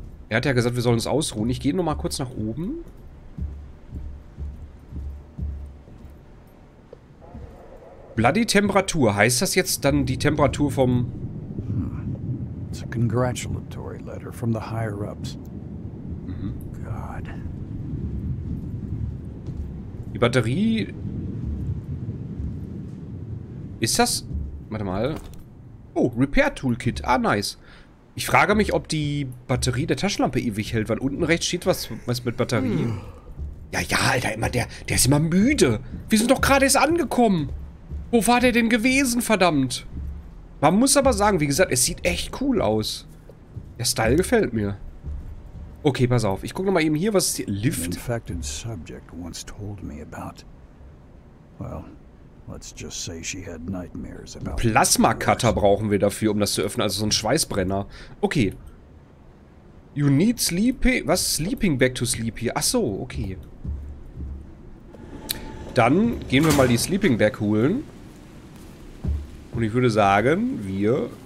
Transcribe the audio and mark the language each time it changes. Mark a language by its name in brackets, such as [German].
[German] Er hat ja gesagt, wir sollen uns ausruhen. Ich gehe nochmal kurz nach oben. Bloody Temperatur. Heißt das jetzt dann die Temperatur vom... [English] It's a congratulatory letter from the higher ups. God. [German] Die Batterie... Ist das... Warte mal... Oh, Repair Toolkit. Ah, nice. Ich frage mich, ob die Batterie der Taschenlampe ewig hält, weil unten rechts steht was mit Batterie. Hm. Ja, ja, Alter, immer der ist immer müde. Wir sind doch gerade erst angekommen. Wo war der denn gewesen, verdammt? Man muss aber sagen, wie gesagt, es sieht echt cool aus. Der Style gefällt mir. Okay, pass auf. Ich gucke nochmal eben hier, was ist hier? Lift. [English] In fact, a subject once told me about. Well. Let's just say she had nightmares about. [German] Plasma-Cutter brauchen wir dafür, um das zu öffnen. Also so ein Schweißbrenner. [English] Okay. You need sleeping... [German] Was? [English] Sleeping back to sleep [German] hier. Ach so, okay. Dann gehen wir mal die Sleeping Bag holen. Und ich würde sagen, wir...